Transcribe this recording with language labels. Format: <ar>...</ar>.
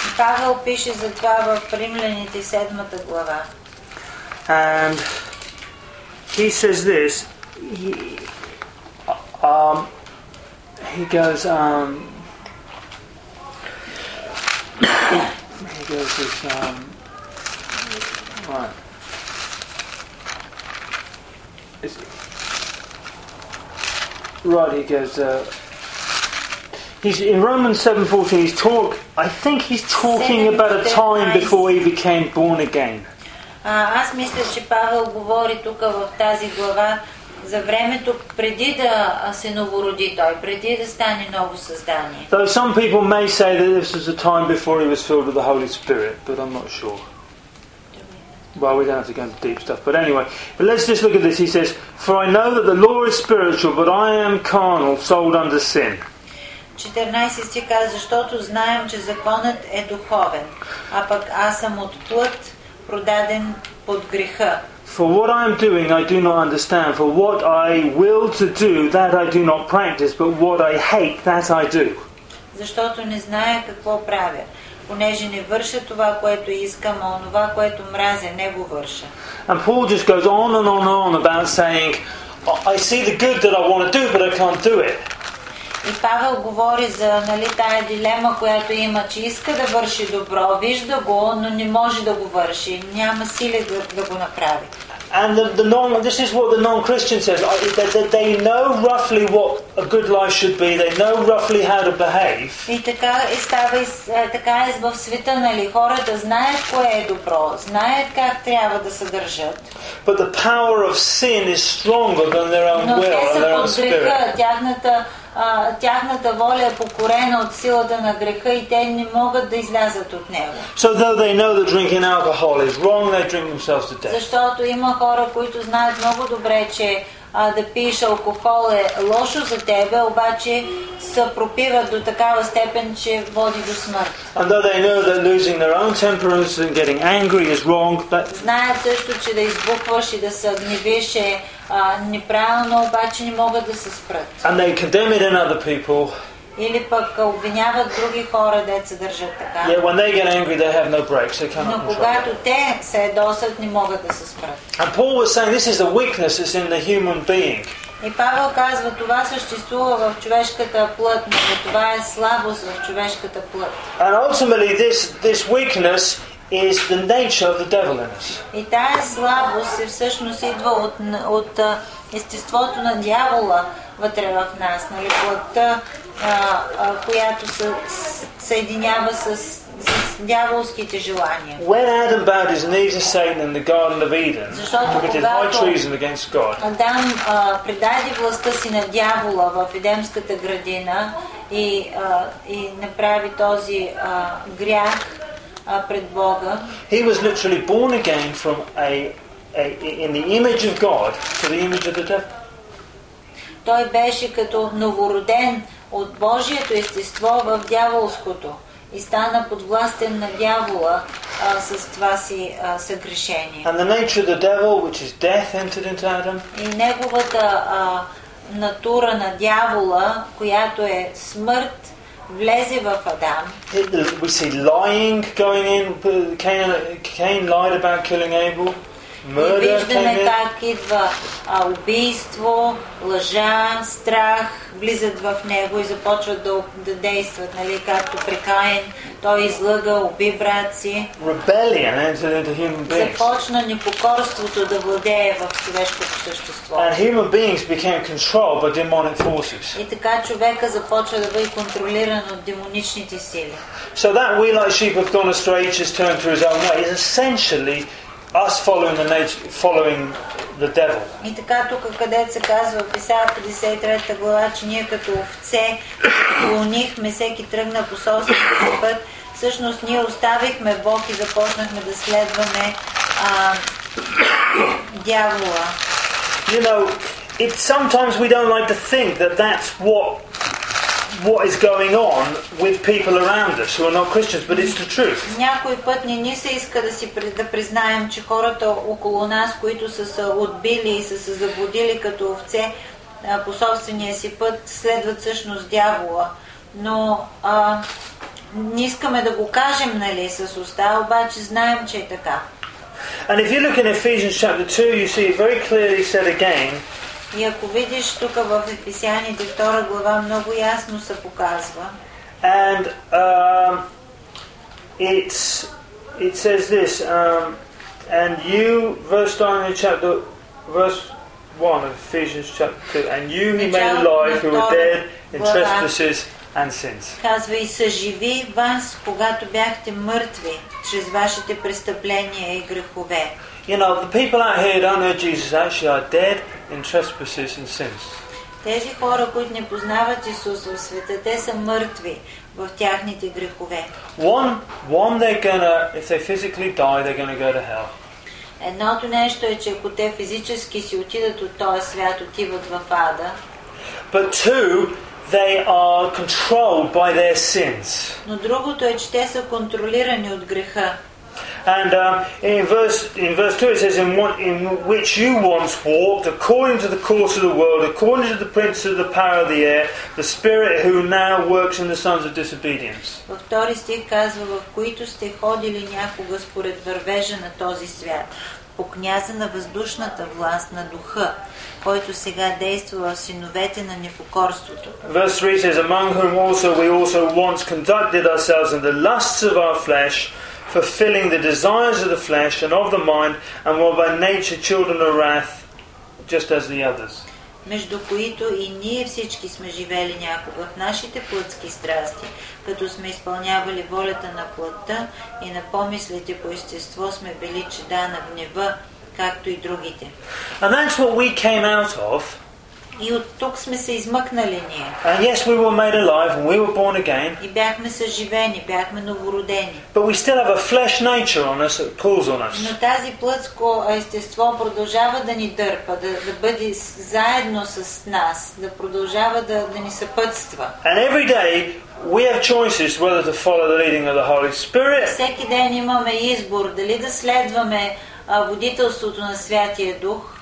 <bg>Павел пише за това в Римляните 7-та глава.</bg> <en>And he says this, he's in Romans 7:14, he's talking about a time before he became born again.</en> <bg>Аз мисля, че Павел говори тук в тази глава за времето преди да се новороди той, преди да стане ново създание.</bg> <en>So some people may say that this was a time before he was filled with the Holy Spirit, but I'm not sure. Well, we don't have to go into deep stuff. But anyway, but let's just look at this. He says, "For I know that the law is spiritual, but I am carnal, sold under sin."</en> <bg>14 стих казва, защото знаем, че законът е духовен, а пък аз съм от плът, продаден под греха.</bg> <en>For what I am doing, I do not understand. For what I will to do, that I do not practice. But what I hate, that I do.</en> <bg>Защото не зная какво правя. Понеже не върша това, което искам, а онова, което мразя, не го върша.</bg> <en>And Paul just goes on and on and on about saying, I see the good that I want to do, but I can't do it.</en> <bg>И Павел говори за тая дилема, която има, че иска да върши добро, вижда го, но не може да го върши, няма сили да го направи.</bg> <en>And this is what the non-Christian says. They know roughly what a good life should be. They know roughly how to behave.</en> <bg>И така е става и така е в света, нали? Хората знаят кое е добро, знаят как трябва да се държат.</bg> <en>But the power of sin is stronger than their own will and their own spirit.</en> <bg>Но те са под греха. Тяхната воля е покорена от силата на греха и те не могат да излязат от него.</bg> <en>So though they know that drinking alcohol is wrong, they drink themselves to death.</en> <bg>Защото има хора, които знаят много добре, че да пиеш алкохол е лошо за тебе, обаче се пропиват до такава степен, че води до смърт.</bg> <en>And though they know that losing their own temperance and getting angry is wrong, but</en> <bg>знаят също, че да избухваш и да се гневиш е неправилно, обаче не могат да се спрат.</bg> <en>And they condemn it in other people.</en> <bg>Или пък обвиняват други хора, дето се държат така.</bg> <en>Yeah, when they get angry, they have no brakes. They cannot control.</en> <bg>Но когато те се досат, не могат да се спрат.</bg> <en>And Paul was saying, this is a weakness that's in the human being.</en> <bg>И Павел казва, това съществува в човешката плът, но това е слабост в човешката плът.</bg> <en>And ultimately, this weakness is the nature of the devil in us.</en> <bg>И тая слабост всъщност идва от естеството на дявола вътре в нас, нали, плътта, която се съединява с дяволските желания.</bg> <en>When Adam bowed his knees to Satan in the Garden of Eden, committed high treason against God.</en> <bg>Адам предаде властта си на дявола в Едемската градина и направи този грях пред Бога.</bg> <en>He was literally born again from in the image of God to the image of the devil.</en> <bg>Той беше като новороден от Божието естество в дяволското и стана подвластен на дявола с това си съгрешение.</bg> <en>And the nature of the devil, which is death, entered into Adam.</en> <bg>И неговата натура на дявола, която е смърт, влезе в Адам.</bg> <en>We see lying going in. Cain lied about killing Abel. Murder.</en> <bg>И виждаме как идва убийство, лъжа, страх влизат в него и започват да действат, нали, както при Каин. Той излъга, уби брат си.</bg> <en>Rebellion entered into human beings.</en> <bg>Започна непокорството да владее в човешкото същество.</bg> <en>And human beings became controlled by demonic forces.</en> <bg>И така човека започва да бъде контролиран от демоничните сили.</bg> <en>So that we like sheep have gone astray, each has turned to his own way, is essentially us following the devil.</en> <bg>И така тук, където се казва в Исаия 53 глава, че ние като овце клонихме, всеки тръгна по собствения си път. Всъщност ние оставихме Бог и започнахме да следваме дявола.</bg> <en>you know, it's sometimes we don't like to think that that's what is going on with people around us who are not Christians, but it's the truth.</en> <bg>Някой път не ни се иска да си да признаем, че хората около нас, които са се отбили и са се заблудили като овце по собствения си път, следват всъщност дявола. Но не искаме да го кажем, нали, с уста, обаче знаем, че е така.</bg> <en>And if you look in Ephesians chapter 2, you see it very clearly said again.</en> <bg>И ако видиш тук в Ефесяните 2 глава, много ясно се показва.</bg> <en>And it says this, and you, verse 9 in chapter, verse 1 of Ephesians chapter 2, and you he made alive who were dead in trespasses and sins.</en> <bg>Казва и съживи вас, когато бяхте мъртви чрез вашите престъпления и грехове.</bg> <en>You know, the people out here don't know Jesus actually are dead in trespasses and sins.</en> <bg>Тези хора, които не познават Исус в света, те са мъртви в тяхните грехове.</bg> <en>One they're gonna, if they physically die, they're gonna go to hell.</en> <bg>Едното нещо е, че ако те физически си отидат от този свят, отиват в ада.</bg> <en>But two, they are controlled by their sins.</en> <bg>Но другото е, че те са контролирани от греха.</bg> <en>And in verse 2 it says, in which you once walked according to the course of the world, according to the prince of the power of the air, the spirit who now works in the sons of disobedience.</en> <bg>Във втори стих казва, в които сте ходили някога според вървежа на този свят, по княза на въздушната власт на духа, който сега действа в синовете на непокорството.</bg> <en>Verse 3 says, among whom also we also once conducted ourselves in the lusts of our flesh, fulfilling the desires of the flesh and of the mind, and were by nature children of wrath, just as the others.</en> <bg>Между които и ние всички сме живели някога в нашите плътски страсти, като сме изпълнявали волята на плътта и на помислите по естество сме били чада на гнева, както и другите.</bg> <en>And that's what we came out of.</en> <bg>И от тук сме се измъкнали ние.</bg> <en>And yes, we were made alive and we were born again.</en> <bg>И бяхме съживени, бяхме новородени.</bg> <en>But we still have a flesh nature on us that pulls on us.</en> <bg>Но тази плътско естество продължава да ни дърпа, да бъде заедно с нас, да продължава да ни съпътства.</bg> <en>And every day we have choices whether to follow the leading of the Holy Spirit.</en> <bg>Всеки ден имаме избор дали да следваме водителството на Святия Дух,</bg>